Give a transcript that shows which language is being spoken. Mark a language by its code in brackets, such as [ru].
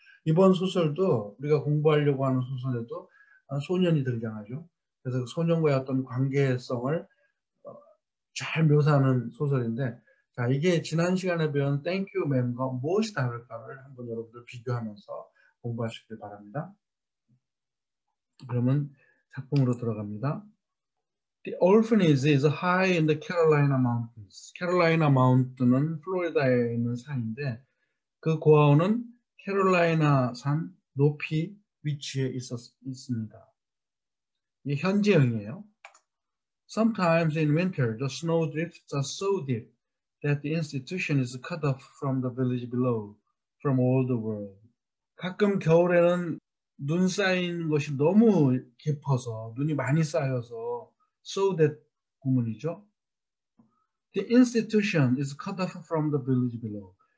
[ko] 이번 소설도 우리가 공부하려고 하는 소설에도 소년이 등장하죠. 그래서 소년과의 어떤 관계성을 잘 묘사하는 소설인데, 자, 이게 지난 시간에 배운 땡큐 맨과 무엇이 다를까를 한번 여러분들 비교하면서 공부하시길 바랍니다. 그러면 작품으로 들어갑니다. [en] The Orphanage is high in the Carolina Mountains. [ko] 캐롤라이나 마운트는 플로리다에 있는 산인데, 그 고아원은 캐롤라이나 산 높이 위치에 있습니다. 이게 현지형이에요. [en] Sometimes in winter, the snow drifts are so deep that the institution is cut off from the village below, from all the world. [ko] 가끔 겨울에는 눈 쌓인 것이 너무 깊어서, 눈이 많이 쌓여서, [en] so that [ko] 구문이죠. [en] The institution is cut off from the village below.